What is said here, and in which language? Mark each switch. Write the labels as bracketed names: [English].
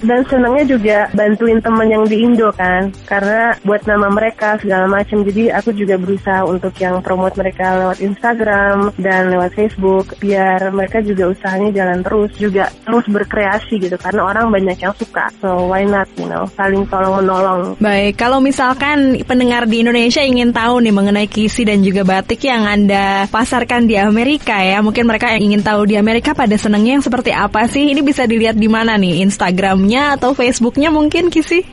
[Indonesian] Dan senangnya juga bantuin temen yang di Indo kan, karena buat nama mereka segala macam. Jadi aku juga berusaha untuk yang promote mereka lewat Instagram dan lewat Facebook, biar mereka juga usahanya jalan terus, juga terus berkreasi gitu, karena orang banyak yang suka. [English] So why not, you know, [Indonesian] saling tolong-menolong. Baik, kalau misalkan pendengar di Indonesia ingin tahu nih mengenai Kisi dan juga batik yang Anda pasarkan di Amerika ya, mungkin mereka yang ingin tahu di Amerika pada senengnya yang seperti apa sih, ini bisa dilihat di mana nih, Instagramnya atau Facebooknya mungkin, Kisi?